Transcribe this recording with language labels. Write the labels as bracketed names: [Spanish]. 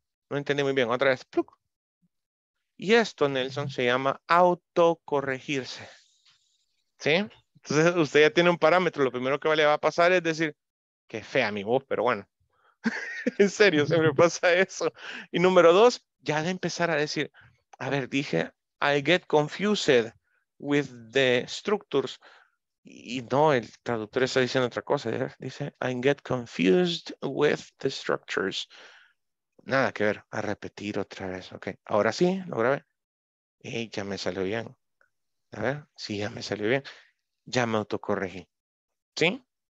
[Spanish] No entendí muy bien. Otra vez. ¡Pluc! Y esto, Nelson, se llama autocorregirse. ¿Sí? Entonces, usted ya tiene un parámetro. Lo primero que le va a pasar es decir, qué fea mi voz, pero bueno. En serio, siempre pasa eso. Y número dos, ya de empezar a decir, A ver, dije, [English] I get confused with the structures. [Spanish] Y no, el traductor está diciendo otra cosa. Dice, [English] I get confused with the structures. [Spanish] Nada que ver. A repetir otra vez. Ok, ahora sí, lo grabé. Hey, ya me salió bien. A ver, sí, ya me salió bien. Ya me autocorregí. ¿Sí?